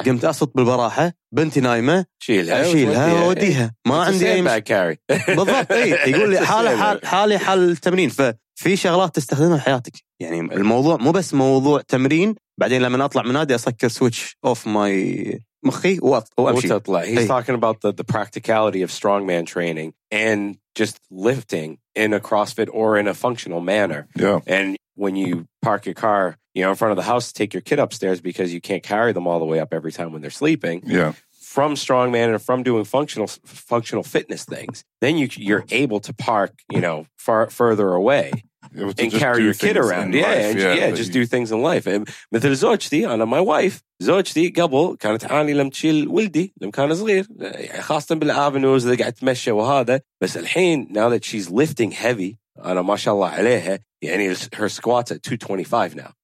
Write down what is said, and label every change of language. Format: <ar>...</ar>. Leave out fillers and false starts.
<ar>قمت أصل بالبراحة بنتي نايمة أشيلها وديها ما عندي أي</ar> <en>carry.</en> <ar>بالضبط. إيه. يقول لي حالي حال التمرين. ففي شغلات تستخدمها في حياتك. يعني الموضوع مو بس موضوع تمرين بعدين لما أطلع من نادي أسكر</ar> <en>switch off my</en> <ar>مخي وأمشي. وتطلع.</ar> <en>He's talking about the practicality of strongman training and just lifting in a CrossFit or in a functional manner. Yeah. And when you park your car, you know, in front of the house to take your kid upstairs because you can't carry them all the way up every time when they're sleeping. Yeah. From strongman and from doing functional fitness things, then you're able to park, you know, further away and carry your kid around. Yeah, and, just do things in life.</en> <ar>مثل زوجتي أنا</ar> <en>my wife</en> <ar>زوجتي قبل كانت عاني لم تشيل ولدي لم كان صغير خاصة بالأفنوز اللي قاعد تمشي وهذا بس الحين</ar> <en>now that she's lifting heavy.</en> <ar>أنا ما شاء الله عليها يعني</ar> <en>her squats at 225 now.</en>